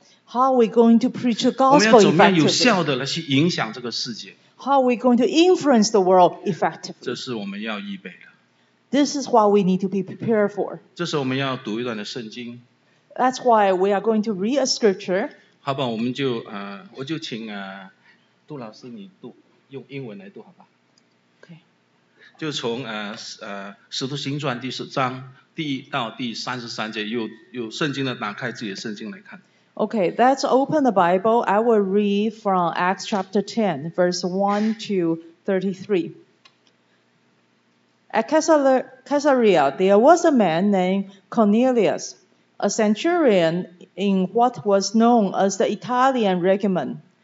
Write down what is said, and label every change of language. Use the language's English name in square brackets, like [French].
[English] How are we going to preach the gospel effectively? [Chinese] 我们要怎么样有效的来去影响这个世界？ [English] How are we going to influence the world effectively? [Chinese] 这是我们要预备的。 [English] This is what we need to be prepared for. [Chinese] 这是我们要读一段的圣经。 [English] That's why we are going to read a scripture. [Chinese] 好吧，我们就我就请杜老师你读用英文来读好吧。就从使徒行传第十章第一到第三十三节，有圣经的打开自己的圣经来看。 [English] Okay, let's open the Bible. I will read from Acts chapter 10, verse 1 to 33. At Caesarea, there was a man named Cornelius, a centurion in what was known as the Italian regiment.